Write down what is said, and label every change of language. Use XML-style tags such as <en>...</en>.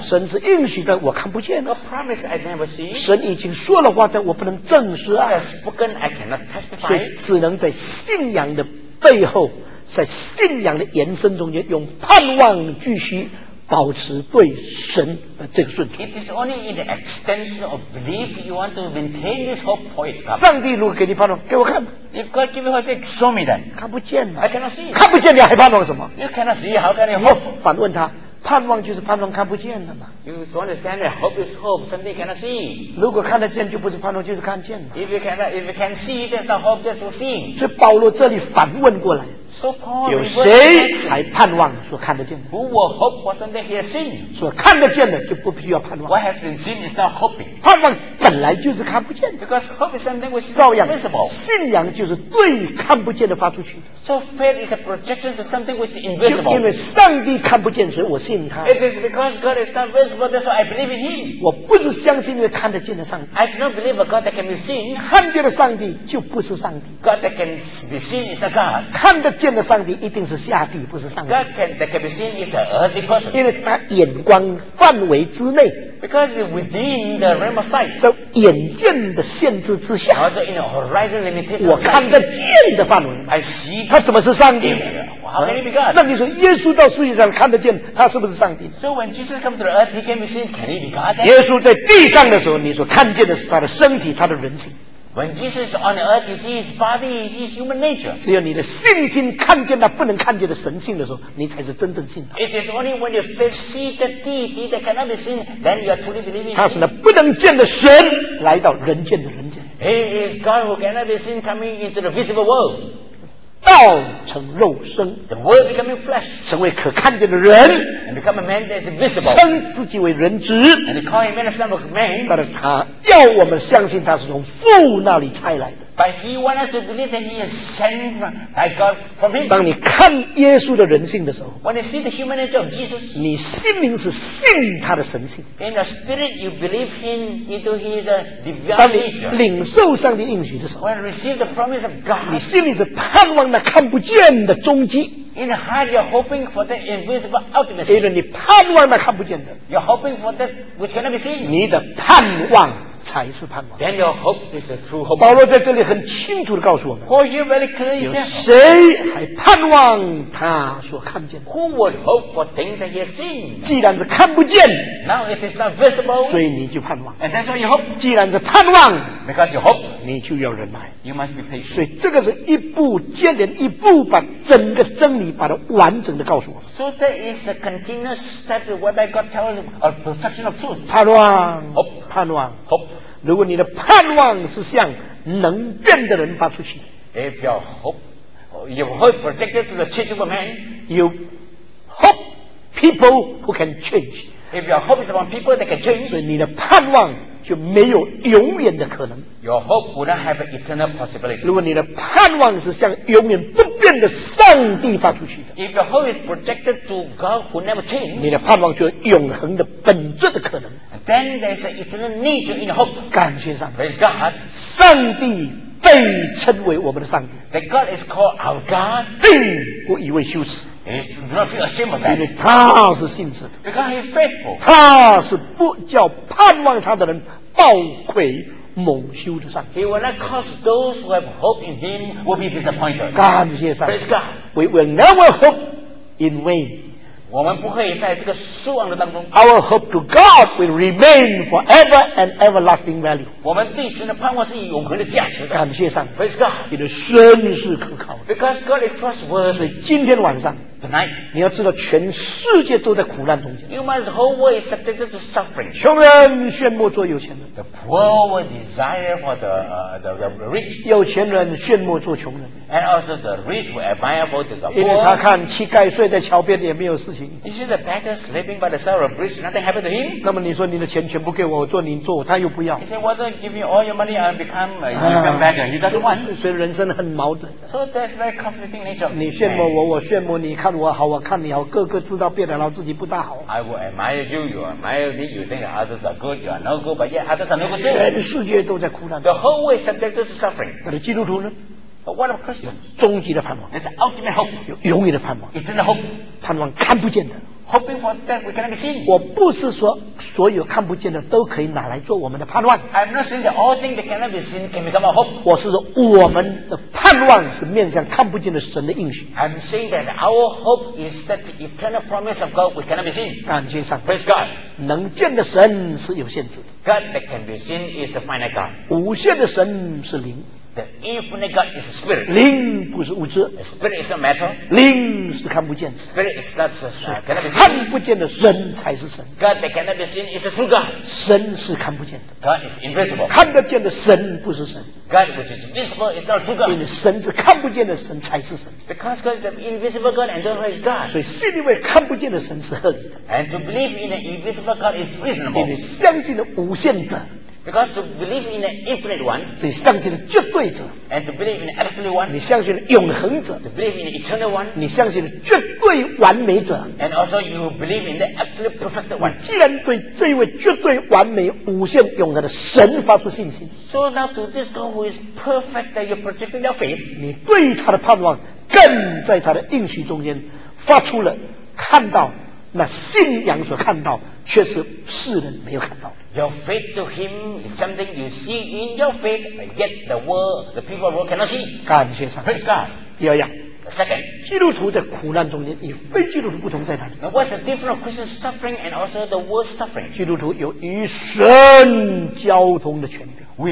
<zh>神是应许的，我看不见。</zh> <en>God promise I never see.</en> <zh>神已经说了话，但我不能证实啊。</zh> <en>God has spoken, I cannot testify.</en> <zh>所以只能在信仰的背后，在信仰的延伸中间，用盼望继续保持对神的这个顺从。</zh> <en>It is only in the extension of belief you want to maintain this hope for it.</en> <zh>上帝如果给你盼望，给我看。</zh> <en>If God give you hope, show me that.</en> <zh>看不见嘛。</zh> <en>I cannot see.</en> <zh>看不见你还盼望什么？</zh> <en>You cannot see, how can you hope?</en> <zh>反问他，盼望就是盼望看不见的嘛。</zh> <en>You don't understand that hope is hope, something cannot see.</en> <zh>如果看得见就不是盼望，就是看见。</zh> <en>If you can see, there's no hope, there's no seeing.</en> <zh>所以保罗这里反问过来。</zh> <en>So、Paul,</en> <zh>有谁还盼望说看得见的？</zh> <en>Who will hope for something he has seen?</en> <zh>说看得见的就不需要盼望。</zh> <en>What has been seen is not hoping.</en> <zh>盼望本来就是看不见的。</zh> <en>Because hope is something which is invisible.</en> <zh>信仰就是对看不见的发出去。</zh> <en>So faith is a projection to something which is invisible.</en> <zh>就因为上帝看不见，所以我信他。</zh> <en>It is because God is not visible, that's why I believe in Him.</en> <zh>我不是相信因为看得见的上帝。</zh> <en>I do not believe a God that can be seen.</en> <zh>看见的上帝就不是上帝。</zh> <en>God that can be seen is a God.</en> <zh>看得见的上帝一定是下帝，不是上帝。</zh> <en>God can, that can be seen is an earthly person.</en> <zh>因为他眼光范围之内。</zh> <en>Because it's within the realm of sight.</en> <zh>在眼见的限制之下。</zh> <en>Also in a horizon limitation.</en> <zh>我看得见的范围。</zh> <en>I see.</en> <zh>他怎么是上帝？</zh> <en>How can he be God?</en> <zh>那你说耶稣到世界上看得见，他是不是上帝？</zh> <en>So when Jesus comes to the earth, he can be seen. Can he be God?</en> <zh>耶稣在地上的时候，你所看见的是他的身体，他的人性。</zh> <en>When Jesus on earth, you see His body, you see His human nature.</en> <zh>只有你的信心看见那不能看见的神性的时候，你才是真正信他。</zh> <en>It is only when you first see the deity that cannot be seen, then you are truly believing.</en> <zh>他是那不能见的神来到人间的人间。</zh> <en>He is God who cannot be seen coming into the visible world.</en> <zh>道成肉身</zh> <en>，the Word becoming flesh，</en> <zh>成为可看见的人</zh> <en>，and become a man that is visible，</en> <zh>称自己为人子</zh> <en>，and call him the Son of Man，</en> <zh>但是他要我们相信他是从父那里差来的。</zh> <en>But he wants us to believe that he is sent by God from him.</en> <zh>当你看耶稣的人性的时候</zh> <en>，When you see the human nature of Jesus，</en> <zh>你心灵是信他的神性。</zh> <en>In the spirit, you believe him into his divine</en> <zh>nature. 当你领受上帝应许的时候</zh> <en>，When you receive the promise of God，</en> <zh>你心里是盼望那看不见的终极。</zh> <en>In the heart, you're hoping for the invisible ultimate.</en> <zh>因为你盼望那看不见的。</zh> <en>You're hoping for that which cannot be seen.</en> <zh>你的盼望。才是盼望。</zh> <en>Then your hope is a true hope.</en> <zh>保罗在这里很清楚地告诉我们。</zh> <en>For you very clearly.</en> <zh>有谁还盼望他所看见的</zh> <en>？Who would hope for things that he has seen?</en> <zh>既然是看不见</zh> <en>，Now it is not visible.</en> <zh>所以你就盼望。</zh> <en>And that's why you hope.</en> <zh>既然是盼望</zh> <en>，Because you hope,</en> <zh>你就要忍耐。</zh> <en>You must be patient.</en> <zh>所以这个是一步接连一步，把整个真理把它完整地告诉我们。</zh> <en>So there is a continuous step whereby God tells a perfection of truth.</en> <zh>盼望</zh> <en>，Hope,</en> <zh>盼望</zh> <en>，Hope.</en> <zh>如果你的盼望是像能变的人发出去。</zh> <en>If your hope, your hope projected to the changeable man, you hope people who can change. If your hope is upon people that can change,</en> <zh>所以你的盼望就没有永远的可能。</zh> <en>Your hope would not have an eternal possibility.</en> <zh>如果你的盼望是向永远不变的上帝发出去的。</zh> <en>If your hope is projected to God who never changes,</en> <zh>你的盼望就永恒的本质的可能。</zh> <en>Then there's an eternal nature in hope.</en> <zh>感谢上帝。</zh> <en>Praise God.</en> <zh>上帝被称为我们的上帝。</zh> <en>That God is called our God.</en> <zh>并不以为羞耻。</zh> <en>Do not feel ashamed of that.</en> <zh>因为他是信实的。</zh> <en>Because he is faithful.</en> <zh>他是不叫盼望他的人抱愧蒙羞的上帝。</zh> <en>He will not cause those who have hope in him will be disappointed.</en> <zh>感谢上帝。</zh> <en>Praise God. We will never hope in vain.</en> <zh>我们不会在这个失望的当中。</zh> <en>Our hope to God will remain forever and everlasting value.</en> <zh>我们对神的盼望是永恒的价值的。感谢上帝。</zh> <en>Praise God.</en> <zh>你的神是可靠的。</zh> <en>Because God is trustworthy.</en> <zh>今天晚上。</zh> <en>Tonight,</en> <zh>你要知道全世界都在苦难中间。</zh> <en>You must whole world is subjected to suffering.</en> <zh>穷人炫目做有钱人。</zh> <en>The poor will desire for the rich.</en> <zh>有钱人炫目做穷人。</zh> <en>And also the rich will admire for the poor.</en> <zh>因为他看乞丐睡在桥边也没有事情。</zh> <en>You see the beggar sleeping by the side of the bridge, nothing happened to him.</en> <zh>那么你说你的钱全部给我做你做他又不要。</zh> <en>He said, why don't give me all your money and become a beggar? He doesn't want.</en> <zh>所以人生很矛盾。</zh> <en>So that's very conflicting nature.</en> <zh>你羡慕我，我羡慕你，看我好，我看你好，个个知道别人好，自己不大好。</zh> <en>I will admire you, you admire me, you think others are good, you are no good, but yet others are no good too.</en> <zh>全世界都在苦难。</zh> <en>The whole world is subjected to suffering.</en> <zh>那基督徒呢？</zh> <en>But what about Christians?</en> <zh>终极的盼望。</zh> <en>It's the ultimate hope.</en> <zh>有永远的盼望。</zh> <en>It's the hope.</en> <zh>盼望看不见的。</zh> <en>Hoping for that we cannot see.</en> <zh>我不是说所有看不见的都可以拿来做我们的盼望。</zh> <en>I'm not saying that all things that cannot be seen can become a hope.</en> <zh>我是说我们的盼望是面向看不见的神的应许。</zh> <en>I'm saying that our hope is that the eternal promise of God we cannot be seen.</en> <zh>感谢上帝。</zh> <en>Praise God.</en> <zh>能见的神是有限制的。</zh> <en>God that can be seen is a finite God.</en> <zh>无限的神是灵。</zh> <en>The infinite God is a spirit.</en> <zh>灵不是物质。</zh> <en>A spirit is a matter.</en> <zh>灵是看不见。</zh> <en>Spirit is not cannot be seen.</en> <zh>看不见的神才是神。</zh> <en>God that cannot be seen is a true God.</en> <zh>神是看不见的。</zh> <en>God is invisible.</en> <zh>看得见的神不是神。</zh> <en>God which is visible is not true God.</en> <zh>因为神是看不见的神才是神。</zh> <en>Because God is an invisible God and therefore is God.</en> <zh>所以信因为看不见的神是合理的。</zh> <en>And to believe in an invisible God is reasonable.</en> <zh>因为相信的无限者。</zh> <en>Because to believe in an infinite one,</en> <zh>所以相信绝对者</zh> <en>，and to believe in an absolute one,</en> <zh>你相信永恒者</zh> <en>，to believe in an eternal one,</en> <zh>你相信绝对完美者</zh> <en>，and also you believe in the absolute perfect one.</en> <zh>既然对这位绝对完美、无限永恒的神发出信心</zh> <en>，so now to this God who is perfect, that you're projecting your faith,</en> <zh>你对他的盼望更在他的应许中间发出了看到那信仰所看到，却是世人没有看到。</zh> <en>Your faith to him is something you see in your faith, and yet the world, the people of the world cannot see.</en> <zh>感谢上帝。</zh> <en>Praise God.</en> <zh>第二样。</zh> <en>Second.</en> <zh>基督徒在苦难中间与非基督徒不同在哪里？</zh> <en>What's the difference of Christian suffering and also the world suffering?</en> <zh>基督徒有与神交通的权柄。</zh>